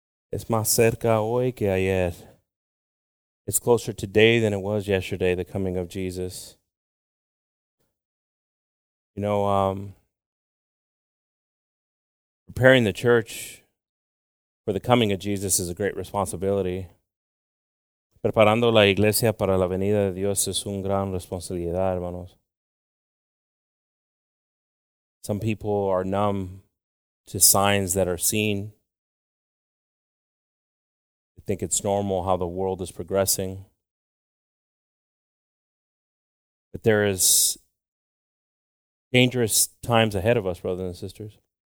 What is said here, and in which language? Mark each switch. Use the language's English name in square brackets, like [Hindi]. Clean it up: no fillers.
[Spanish] Es más cerca hoy que ayer. [English] It's closer today than it was yesterday, the coming of Jesus. You know, preparing the church for the coming of Jesus is a great responsibility. [Spanish] Preparando la iglesia para la venida de Dios es una gran responsabilidad, hermanos. [English] Some people are numb to signs that are seen. They think it's normal how the world is progressing. But there is dangerous times ahead of us, brothers and sisters.